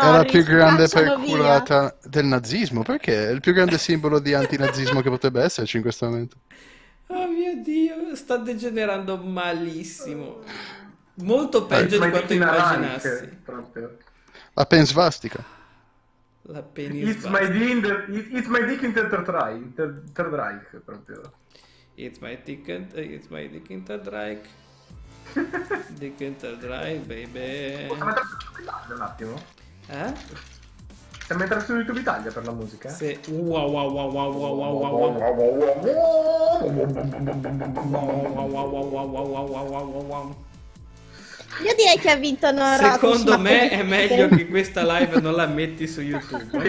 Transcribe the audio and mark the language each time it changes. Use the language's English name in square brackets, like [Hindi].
[Italian] È la più grande perculata del nazismo. Perché? È il più grande simbolo di antinazismo che potrebbe esserci in questo momento. Oh mio Dio, sta degenerando malissimo. Molto peggio di quanto immaginassi. La pen svastica. La pen svastica. [English] It's my dick in third Reich, [Italian] proprio. [English] It's my dick in third Reich. Dick in third Reich, baby. [Italian] Un attimo. Stiamo entrando su YouTube Italia per la musica? Sì. Wow wow wow wow wow wow wow wow wow wow wow wow wow wow wow wow wow wow wow wow wow wow wow. Io direi che ha vinto Norotus. Secondo me è meglio che questa live non la metti su YouTube.